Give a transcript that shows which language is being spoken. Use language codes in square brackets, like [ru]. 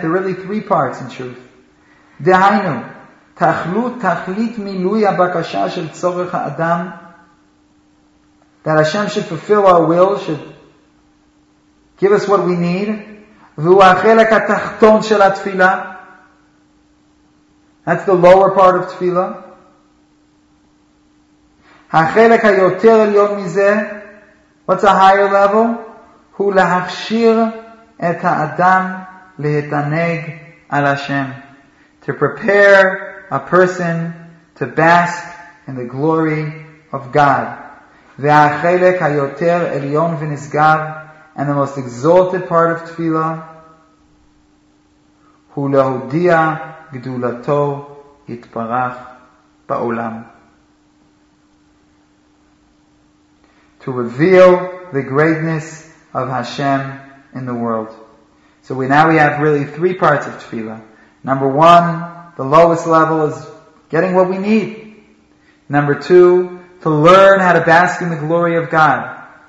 [en] There are really three parts in truth. דהיינו, תכלית מילוי הבקשה של צורך האדם, that Hashem should fulfill our will, should give us what we need, והוא החלק התחתון של התפילה. That's the lower part of תפילה. [he] החלק היותר עליון מזה, what's a higher level? הוא להכשיר את האדם להתענג על השם. [en] To prepare a person to bask in the glory of God. [he] והחלק היותר עליון ונשגב, and the most exalted part of tefillah, הוא להודיע גדולתו יתברך בעולם. [en] To reveal the greatness of Hashem in the world. So now we have really three parts of tefillah. Number one, the lowest level is getting what we need. Number two, to learn how to bask in the glory of God.